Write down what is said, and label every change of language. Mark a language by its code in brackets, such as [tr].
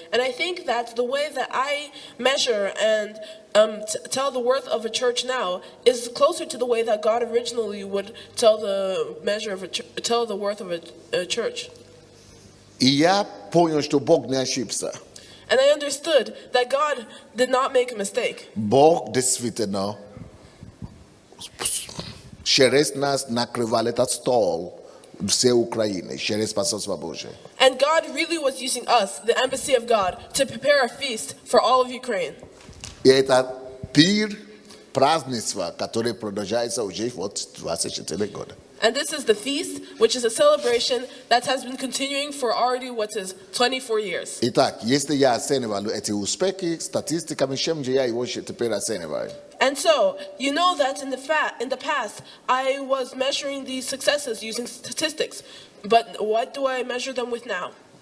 [en] And I think that the way that I measure and tell the worth of a church now is closer to the way that God originally would tell the measure of tell the worth of a church. [ru] И я понял, что Бог не ошибся. [en] And I understood that God did not make a mistake. [ru] Бог действительно через нас накрывал этот стол все Украины, через посольство Божие. [en] And God really was using us, the embassy of God, to prepare a feast for all of Ukraine. [ru] И это пир, празднество, которое продолжается уже вот 24 года. [en] And this is the feast, which is a celebration that has been continuing for already what is 24 years. [ru] Итак, если я оценивал эти успехи статистиками, чем же я его теперь оцениваю? [en] And so, you know that in the past, I was measuring these successes using statistics. But what do I measure them with now?